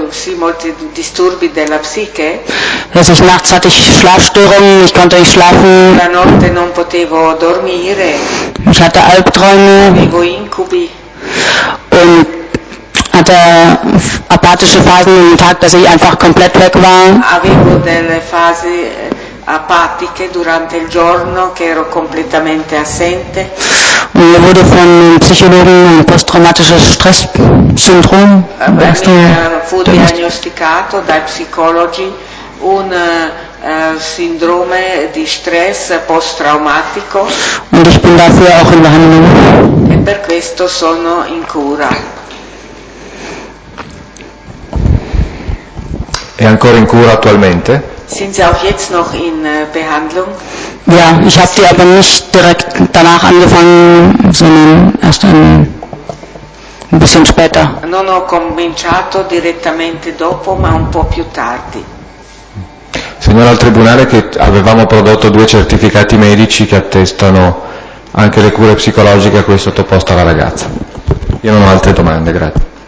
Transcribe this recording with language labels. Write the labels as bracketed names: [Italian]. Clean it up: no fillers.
[Italian] Sì, molti disturbi della psiche. [German] Dass ich nachts hatte ich Schlafstörungen, ich konnte nicht schlafen. [Italian] La notte non potevo dormire. [German] Ich hatte Albträume. [Italian] Avevo incubi. [German] Und hatte apatische Phasen im Tag, dass ich einfach komplett weg war. [Italian] Avevo delle fasi apatiche durante il giorno, che ero completamente assente. [German] Und mir wurde von Psychologen ein posttraumatisches Stresssyndrom [Italian] diagnosticato dai psicologi un sindrome di stress posttraumatico. [German] Und ich bin dafür auch in Behandlung. [Italian] E per questo sono in cura. È ancora in cura attualmente? [German] Sind Sie auch jetzt noch in Behandlung? Ja, ich habe die aber nicht direkt danach angefangen, sondern erst ein bisschen später. [Italian] Non ho cominciato direttamente dopo, ma un po' più tardi. Signora al tribunale, che avevamo prodotto due certificati medici che attestano anche le cure psicologiche a cui è sottoposta la ragazza. Io non ho altre domande, grazie.